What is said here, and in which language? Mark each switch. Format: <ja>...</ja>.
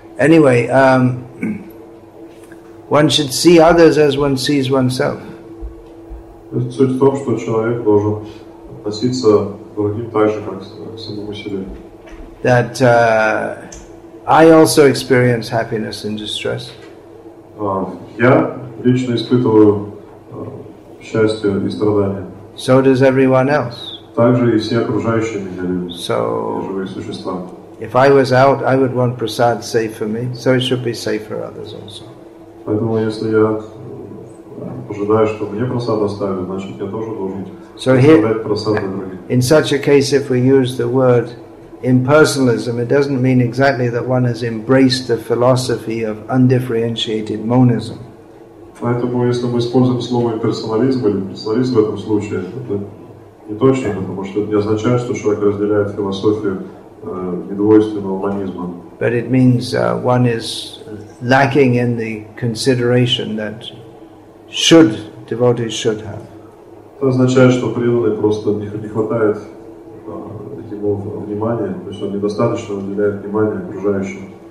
<en>Anyway, one should see others as one sees oneself.</en> <ru>Суть в том, что человек должен относиться к другим так же, как к самому себе.</ru> <en>That I also experience happiness and distress.</en> <ru>Я лично испытываю счастье и страдания.</ru> <en>So does everyone else.</en> <ru>Также и все окружающие меня люди.</ru> <en>So,</en> <ru>живые существа.</ru> <en>If I was out, I would want prasad safe for me, so it should be safe for others also.</en> <ru>Поэтому если я ожидаю, что мне просад оставят, значит я тоже должен оставлять просад для других.</ru> <en>In such a case, if we use the word impersonalism, it doesn't mean exactly that one has embraced the philosophy of undifferentiated monism.</en> <ru>Поэтому, если мы используем слово имперсонализм или персонализм в этом случае, это не точно, потому что это не означает, что человек разделяет философию недвойственного монизма.</ru> <en>But it means one is lacking in the consideration that devotees should have.</en> <ru>Это означает, что преданный просто не хватает внимание, то есть он недостаточно уделяет внимание окружающим.</ru>